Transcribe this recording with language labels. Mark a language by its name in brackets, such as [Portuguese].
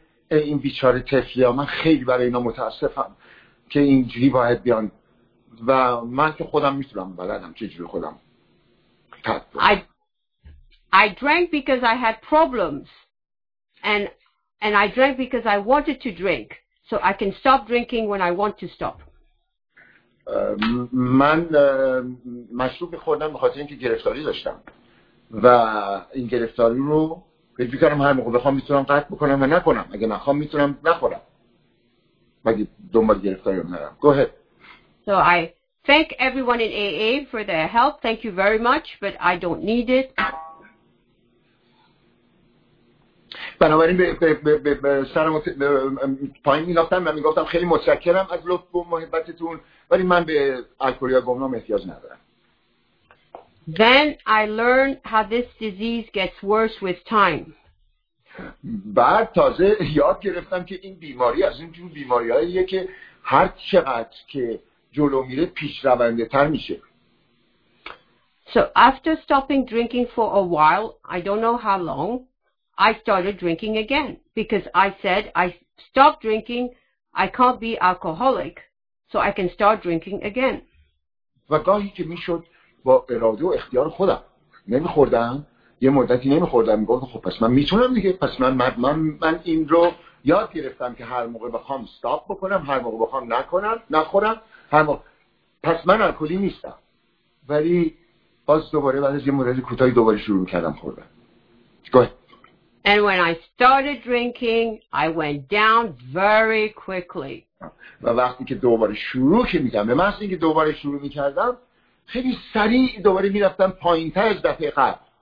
[Persian] این بیچاره تفلی ها من خیلی برای اینا متاسفم که اینجوری باید بیان و من که خودم میتونم بلدم چجوری خودم [English] I drank because I had problems and I drank because I wanted to drink so I can stop drinking when I want to stop. [Persian] من مشروب خوردم بخاطر اینکه گرفتاری داشتم و این گرفتاری رو فکر می‌کنم هر موقع بخوام میتونم قطع بکنم و نکنم. اگه نخوام میتونم نخورم. مگه دنبال گرفتاری هم نرم. [English] Go ahead. So I thank everyone in AA for their help. Thank you very much, but I don't need it. [Persian] بنابراین سرمو پایین می‌انداختم و میگفتم خیلی متشکرم از لطف و محبتتون ولی من به الکلی یا گمنام احتیاج ندارم. [English] Then I learned how this disease gets worse with time. [Persian] بعد تازه یاد گرفتم که این بیماری از این جور بیماری‌هایی است که هر چقدر که جلو میره پیشرونده‌تر میشه. [English] So after stopping drinking for a while, I don't know how long, I started drinking again because I said I stopped drinking, I can't be alcoholic, so I can start drinking again. [Persian] و گاهی که میشد با اراده و اختیار خودم نمیخوردم یه مدتی نمیخوردم میگفتم خب پس من میتونم دیگه پس من این رو یاد گرفتم که هر موقع بخوام استاپ بکنم هر موقع بخوام نخورم هر موقع پس من الکلی نیستم ولی باز دوباره بعد از یه مدتی کوتاهی دوباره شروع کردم خوردن. [English] And when I started drinking I went down very quickly. [Persian] و وقتی که دوباره شروع کردم به معنی که دوباره شروع میکردم خیلی سریع دوباره می رفتم پایین تر از دفعه قبل.